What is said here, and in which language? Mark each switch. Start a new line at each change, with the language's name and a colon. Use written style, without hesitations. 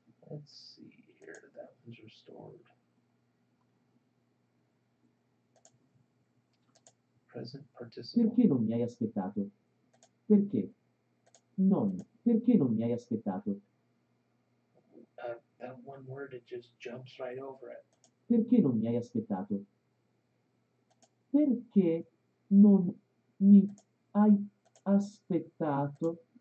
English: Let's see here, that one's restored.
Italian: Perché non mi hai aspettato? Perché? Non. Perché non mi hai aspettato?
English: That one word, it just jumps right over it.
Italian: Perché non mi hai aspettato? Perché non mi hai aspettato?